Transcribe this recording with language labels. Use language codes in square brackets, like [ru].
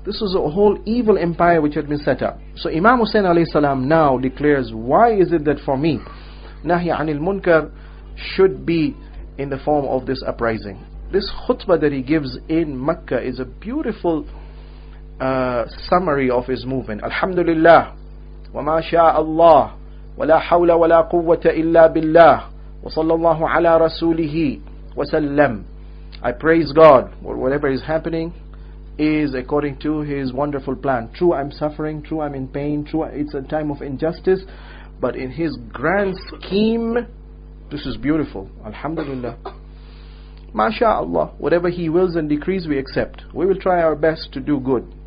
[en] This was a whole evil empire which had been set up. So Imam Hussein alayhi salam now declares, why is it that for me, Nahi anil Munkar should be in the form of this uprising? This khutbah that he gives in Makkah is a beautiful summary of his movement. [ar] Alhamdulillah, wa ma sha'a Allah, ولا حول ولا قوة إلا بالله وصلى الله على رسوله وسلم. [en] I praise God. Whatever is happening is according to His wonderful plan. True, I'm suffering. True, I'm in pain. True, it's a time of injustice. But in His grand scheme, this is beautiful. Alhamdulillah. MashaAllah. Whatever He wills and decrees, we accept. We will try our best to do good.